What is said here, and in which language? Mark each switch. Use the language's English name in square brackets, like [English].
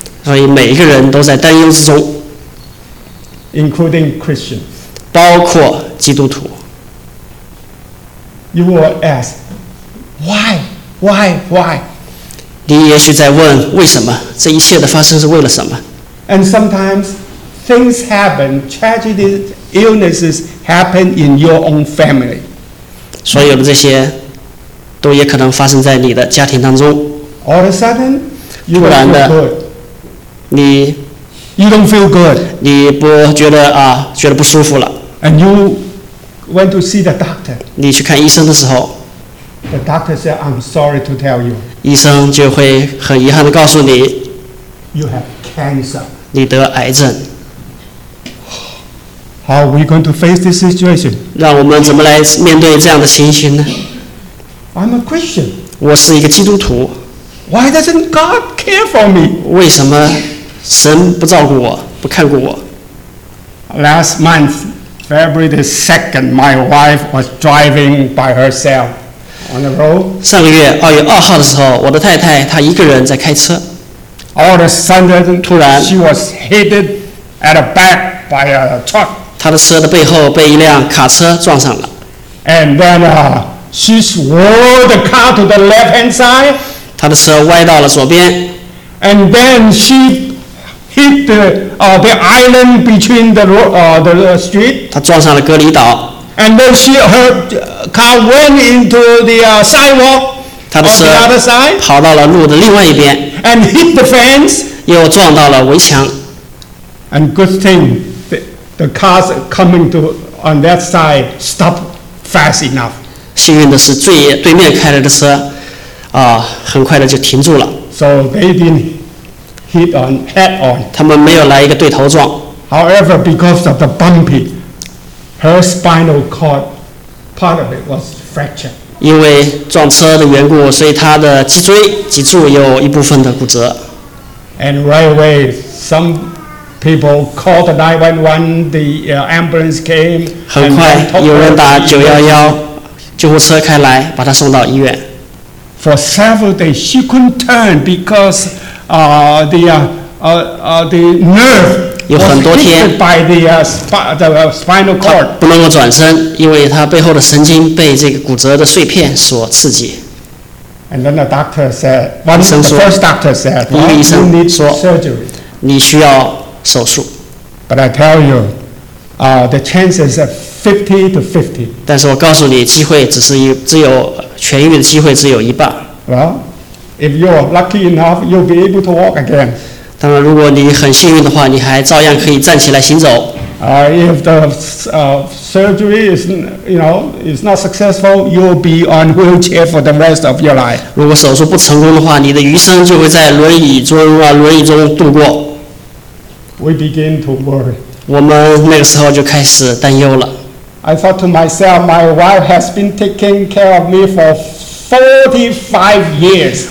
[Chinese] 所以每一个人都在担忧之中。 [English] Including Christians. [Chinese] 包括基督徒。 [English] You will ask, why, why, why? [Chinese] 你也许在问为什么这一切的发生是为了什么？ [English] And sometimes things happen, tragedies, illnesses happen in your own family. [Chinese] 所有的这些都也可能发生在你的家庭当中。 [English] All of a sudden, you are good. [Chinese] 你 [English] You don't feel good. [Chinese] 你不觉得啊，觉得不舒服了。 [English] And you went to see the doctor. [Chinese] 你去看医生的时候。 [English] The doctor said, "I'm sorry to tell you." [Chinese] 医生就会很遗憾地告诉你。 [English] You have cancer. [Chinese] 你得癌症。 [English] How are we going to face this situation? [Chinese] 让我们怎么来面对这样的情形呢 [English] ？I'm a Christian. [Chinese] 我是一个基督徒。 [English] Why doesn't God care for me? [Chinese] 为什么？神不照顾我，不看顾我。 [English] Last month, February the 2nd, my wife was driving by herself on the road. [Chinese] 上个月二月二号的时候，我的太太她一个人在开车。 [English] All of a sudden, [Chinese] 突然 [English] she was hit at the back by a truck. [Chinese] 她的车的背后被一辆卡车撞上了。 [English] And then, she swerved the car to the left hand side. [Chinese] 她的车歪到了左边。 [English] And then she hit the island between the street. [Chinese] 他撞上了隔离岛。 [English] And then her car went into the sidewalk. [Chinese] 他的车 [English] on the other side. [Chinese] 跑到了路的另外一边。 [English] And hit the fence. [Chinese] 又撞到了围墙。 [English] And good thing the cars coming to on that side stopped fast enough. [Chinese] 幸运的是最对面开来的车，很快的就停住了。 [English] So they didn't hit on head on. [Chinese] 他们没有来一个对头撞。 [English] However, because of the bumpy, her spinal cord part of it was fractured. [Chinese] 因为撞车的缘故，所以她的脊椎脊柱有一部分的骨折。 [English] And right away, some people called the 911. The ambulance came. [Chinese] 很快，有人打911，救护车开来，把她送到医院。 [English] For several days, she couldn't turn because. The nerve was hit by the spinal cord. [Chinese] 不能够转身，因为他背后的神经被这个骨折的碎片所刺激。 [English] And then the doctor said, "One, the first doctor said, well, you need surgery." [Chinese] 你需要手术。 [English] But I tell you, the chances are 50-50. [Chinese] 但是我告诉你，机会只是只有痊愈的机会只有一半。 [English] If you're lucky enough, you'll be able to walk again. [Chinese] 当然，如果你很幸运的话，你还照样可以站起来行走。 [English] If the surgery is, you know, is not successful, you'll be on wheelchair for the rest of your life. [Chinese] 如果手术不成功的话，你的余生就会在轮椅中度过。 [English] We begin to worry. [Chinese] 我们那个时候就开始担忧了。 [English] I thought to myself, my wife has been taking care of me for 45 years.